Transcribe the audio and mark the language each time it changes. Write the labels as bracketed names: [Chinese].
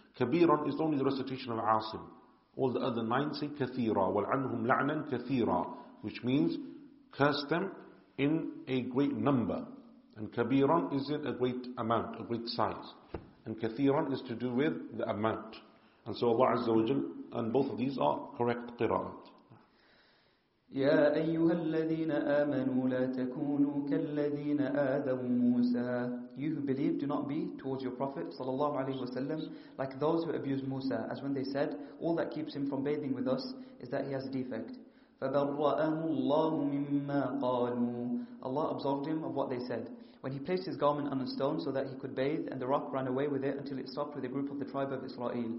[English] Kabiran is only the recitation of Asim. All the other nine say kathira, [Arabic] wal'anhum la'nan kathira, [English] which means curse them in a great number. And kabiran is in a great amount, a great size. And kathiran is to do with the amount. And so Allah Azza wa Jal, and both of these are correct qira'at. [Arabic] يا أيها الذين آمنوا لا تكونوا كالذين آذوا موسى. [English] You who believe, do not be towards your prophet صلى الله عليه وسلم like those who abused موسى, as when they said, all that keeps him from bathing with us is that he has a defect. [Arabic] فبرأه الله مما قالوا. [English] Allah absolved him of what they said. When he placed his garment on a stone so that he could bathe, and the rock ran away with it until it stopped with a group of the tribe of Israel.